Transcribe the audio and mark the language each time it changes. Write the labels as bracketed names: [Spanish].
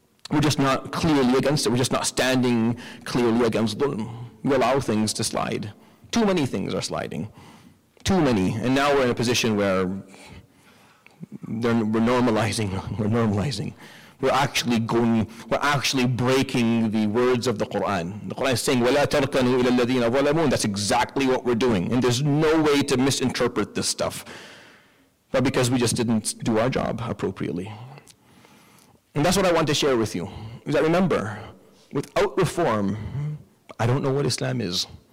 [English] We're just not clearly against it. We're just not standing clearly against dhulm. We allow things to slide. Too many things are sliding. Too many. And now we're in a position where we're normalizing. We're actually breaking the words of the Quran. The Quran is saying, [Arabic] وَلَا تَرْكَنُوا إِلَى الَّذِينَ ظَلَمُونَ. [English] That's exactly what we're doing. And there's no way to misinterpret this stuff. But because we just didn't do our job appropriately. And that's what I want to share with you. Is that remember, without reform, I don't know what Islam is.